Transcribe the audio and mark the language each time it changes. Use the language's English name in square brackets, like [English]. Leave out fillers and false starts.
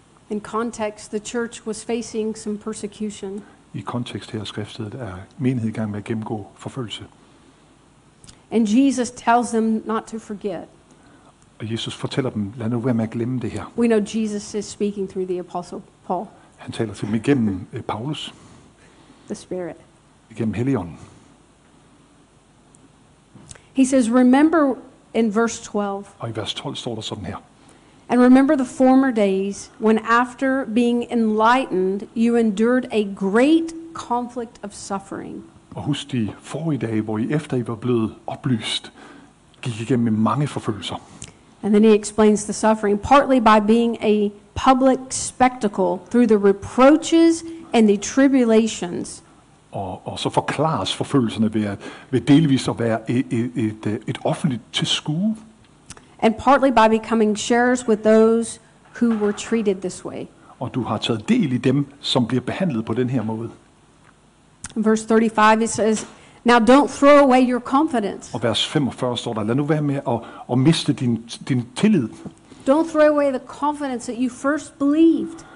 [English] In context, the church was facing some persecution. [Danish] I kontekst her skriftet er menighed i gang med at gennemgå forfølgelse. [English] And Jesus tells them not to forget. [Danish] Og Jesus fortæller dem, lad nu være med at glemme det her. [English] We know Jesus is speaking through the apostle Paul. [Danish] Han taler til dem igennem Paulus. [English] The Spirit. [Danish] Igennem Helligånden. [English] He says, remember in verse 12. [Danish] Og i vers 12 står der sådan her. [English] And remember the former days when after being enlightened you endured a great conflict of suffering. [Danish] Og husk de forrige dage, hvor I efter I var blevet oplyst, gik igennem mange forfølgelser. [English] And then he explains the suffering, partly by being a public spectacle through the reproaches and the tribulations. [Danish] Og så forklares forfølgelserne ved delvis at være et offentligt tilskue. [English] And partly by becoming sharers with those who were treated this way. [Danish] Og du har taget del i dem, som bliver behandlet på den her måde. [English] Verse 35, it says, now don't throw away your confidence. [Danish] Og vers 45 står der, lad nu være med at miste din tillid. [English] Don't throw away the confidence that you first believed.